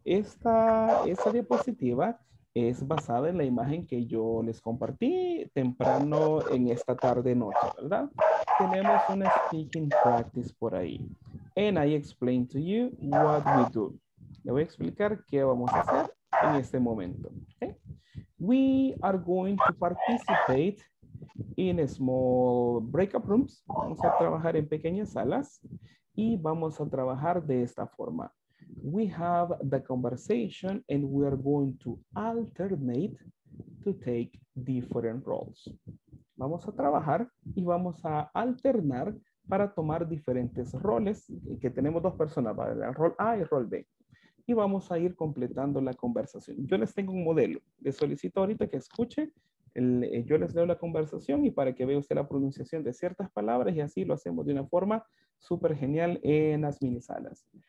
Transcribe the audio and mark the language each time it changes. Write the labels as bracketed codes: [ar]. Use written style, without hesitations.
[es] Esta diapositiva es basada en la imagen que yo les compartí temprano en esta tarde noche, ¿verdad? Tenemos una speaking practice por ahí. [en] And I explain to you what we do. [es] Le voy a explicar qué vamos a hacer en este momento. ¿Okay? [en] We are going to participate in small breakout rooms. [es] Vamos a trabajar en pequeñas salas y vamos a trabajar de esta forma. [en] We have the conversation and we are going to alternate to take different roles. [es] Vamos a trabajar y vamos a alternar para tomar diferentes roles, que tenemos dos personas, ¿vale? Rol A y rol B. Y vamos a ir completando la conversación. Yo les tengo un modelo. Les solicito ahorita que escuche. Yo les leo la conversación y para que vea usted la pronunciación de ciertas palabras y así lo hacemos de una forma súper genial en las mini salas.